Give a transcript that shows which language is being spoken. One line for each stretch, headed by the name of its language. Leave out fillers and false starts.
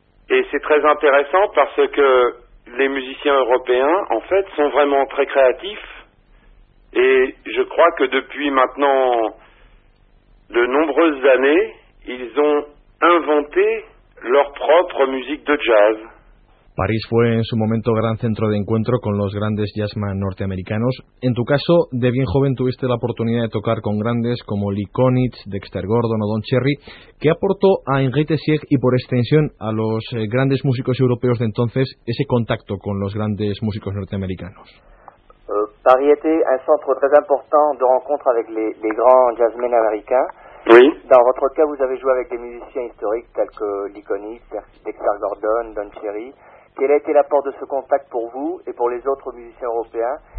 French: Et c'est très intéressant parce que les musiciens européens, en fait, sont vraiment très créatifs Et je crois que depuis maintenant de nombreuses années, ils ont inventé leur propre musique de jazz.
Spanish: París fue en su momento gran centro de encuentro con los grandes jazzman norteamericanos. En tu caso, de bien joven tuviste la oportunidad de tocar con grandes como Lee Konitz, Dexter Gordon o Don Cherry. ¿Qué aportó a Henriette Sieg y por extensión a los grandes músicos europeos de entonces ese contacto con los grandes músicos norteamericanos?
French: París était un centro très important de rencontre avec les grands jazzmen américains. Oui. Dans votre cas, vous avez joué avec des musiciens historiques tels que Lee Konitz, Dexter Gordon, Don Cherry. Quel a été l'apport de ce contact pour vous et pour les autres musiciens européens?